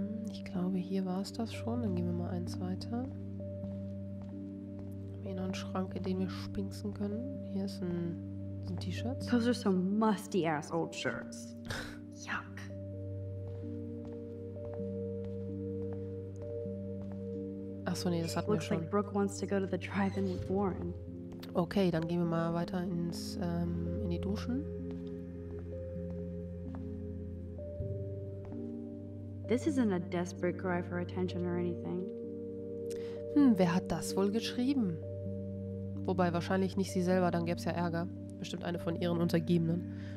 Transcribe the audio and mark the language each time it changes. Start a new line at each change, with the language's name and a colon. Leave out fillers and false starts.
German: Ich glaube, hier war es das schon. Dann gehen wir mal eins weiter. Wir haben hier noch einen Schrank, in den wir spinksen können. Hier ist ein...
English: Some T-shirts? Those are some musty ass old shirts. Yuck.
German: Ach so, nee, das hatten
English: Looks
German: wir schon.
English: Like Brooke wants to go to the drive-in with Warren.
German: Okay, dann gehen wir mal weiter ins in die Duschen.
English: This isn't a desperate cry for attention or anything.
German: Wer hat das wohl geschrieben? Wobei wahrscheinlich nicht sie selber, dann gäbe es ja Ärger. Bestimmt eine von ihren Untergebenen.